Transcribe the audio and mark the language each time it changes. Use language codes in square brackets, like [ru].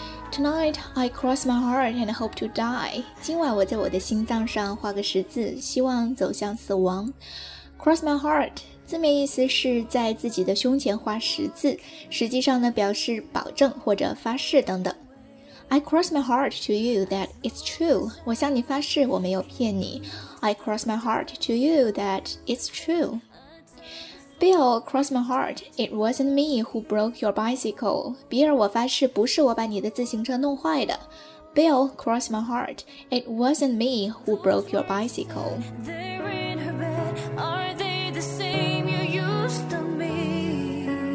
[en] Tonight, I cross my heart and hope to die. [zh] 今晚我在我的心脏上画个十字，希望走向死亡。 Cross my heart, 字面意思是在自己的胸前画十字，实际上呢表示保证或者发誓等等。 [en] I cross my heart to you that it's true. [zh] 我向你发誓，我没有骗你。 [en] I cross my heart to you that it's true. Bill, cross my heart, it wasn't me who broke your bicycle. [zh] 比尔，我发誓不是我把你的自行车弄坏的。 [en] Bill, cross my heart, it wasn't me who broke your bicycle. They're in her bed, are they the same you used to me?